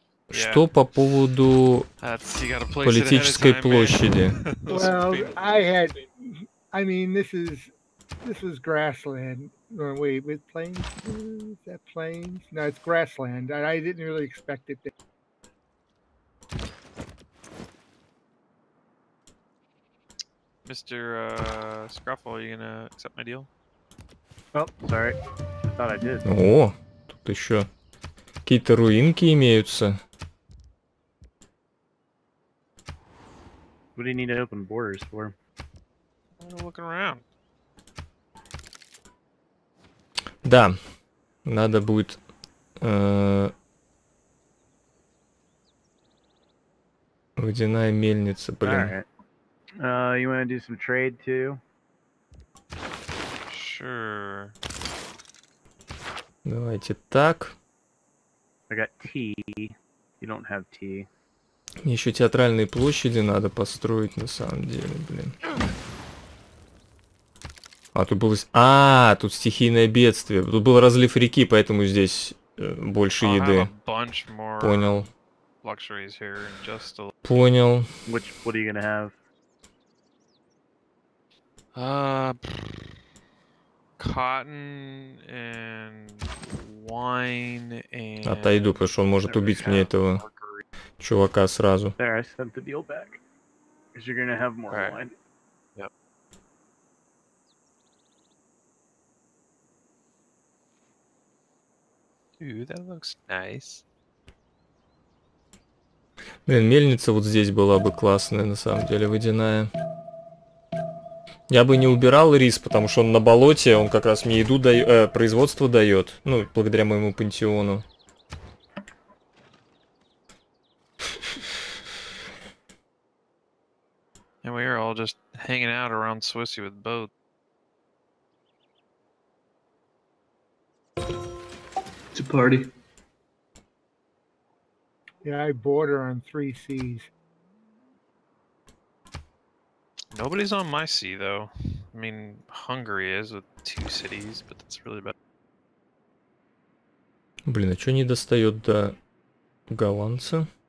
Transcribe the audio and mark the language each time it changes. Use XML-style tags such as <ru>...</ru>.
<ru>Что по поводу политической площади?</ru> <en>Well, I had. I mean, this is grassland. Wait, with plains? Is that plains? No, it's grassland. I didn't really expect it there. Mr. Scruffle, are you gonna accept my deal? Oh, sorry. I thought I did.</en> <ru>О, тут еще какие-то руинки имеются.</ru> <en>What do you need to open borders for? I'm looking around.</en> <ru>Да, надо будет водяная мельница, блин.</ru> <en>You wanna do some trade too? Sure.</en> <ru>Давайте так.</ru> <en>I got tea. You don't have tea.</en> <ru>Еще театральные площади надо построить на самом деле, блин. А тут было... А, тут стихийное бедствие. Тут был разлив реки, поэтому здесь больше еды. Понял. Понял.</ru> <en>Which, what are you gonna have? Cotton and wine and...</en> <ru>Отойду, потому что он может убить мне этого чувака сразу.</ru> <en>There, I sent the deal back. Because you're gonna have more wine. Ooh, that looks nice.</en> <ru>Блин, мельница вот здесь была бы классная, на самом деле, водяная. Я бы не убирал рис, потому что он на болоте, он как раз мне еду дает, производство дает. Ну, благодаря моему пантеону.</ru> <en>And we are all just hanging out around Swissy with boat. Party. Yeah, I border on three seas. Nobody's on my sea, though. I mean, Hungary is with two cities, but that's really bad.</en> <ru>Блин, а чё не достает до голландца?</ru>